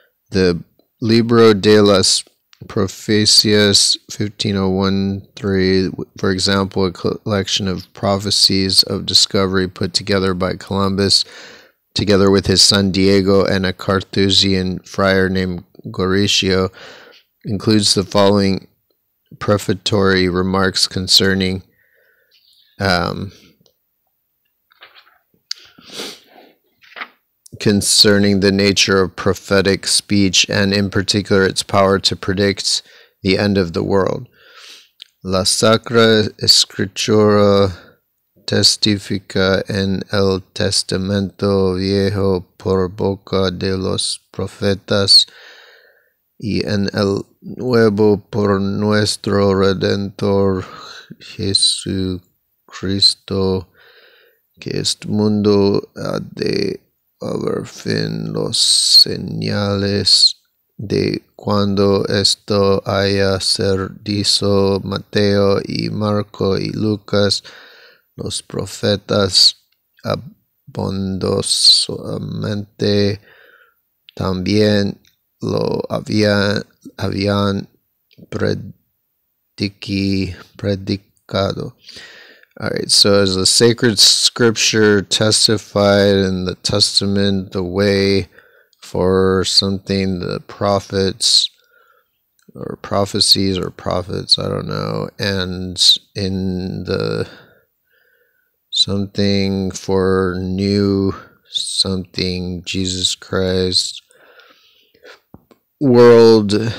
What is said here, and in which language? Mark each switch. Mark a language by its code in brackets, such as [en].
[en] The Libro de las Profecias 1501-3, for example, a collection of prophecies of discovery put together by Columbus, together with his son Diego and a Carthusian friar named Goricio, includes the following prefatory remarks concerning concerning the nature of prophetic speech and in particular its power to predict the end of the world. [es] La Sacra Escritura testifica en el Testamento Viejo por boca de los profetas y en el Nuevo por nuestro Redentor Jesucristo, que este mundo ha de haber fin los señales de cuando esto haya ser dicho Mateo y Marco y Lucas, los profetas abundosamente también lo habían predicado. [en] All right, so as the sacred scripture testified in the testament, the way for something, the prophets or prophecies or prophets, I don't know, and in the something for new something, Jesus Christ, world